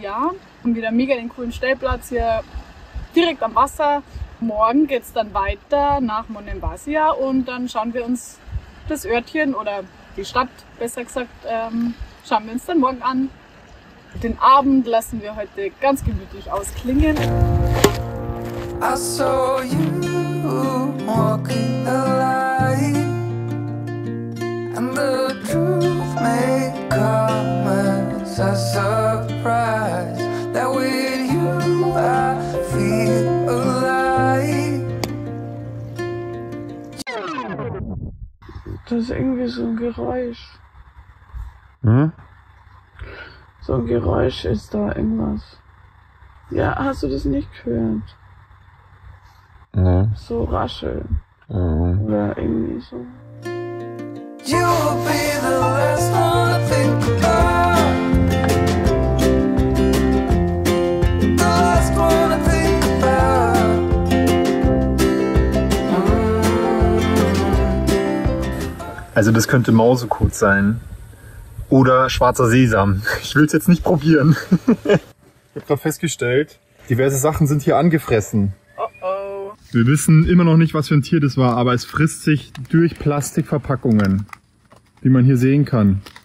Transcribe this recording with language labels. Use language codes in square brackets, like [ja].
[de] Wir haben wieder mega den coolen Stellplatz hier direkt am Wasser. Morgen geht es dann weiter nach Monemvasia und dann schauen wir uns das Örtchen oder die Stadt, besser gesagt, schauen wir uns dann morgen an. Den Abend lassen wir heute ganz gemütlich ausklingen. [en] I saw you walking the line. And the truth may come as a surprise that with you I feel alive. [de] Das ist irgendwie so ein Geräusch. Hm? So ein Geräusch ist da irgendwas. Ja, hast du das nicht gehört? Nee. So rascheln. Mhm. Oder irgendwie so. [en] You will be the last one to think about. The last one to think about. [de] Also das könnte Mausekot sein. Oder schwarzer Sesam. Ich will es jetzt nicht probieren. Ich habe gerade festgestellt, diverse Sachen sind hier angefressen. Wir wissen immer noch nicht, was für ein Tier das war, aber es frisst sich durch Plastikverpackungen, wie man hier sehen kann.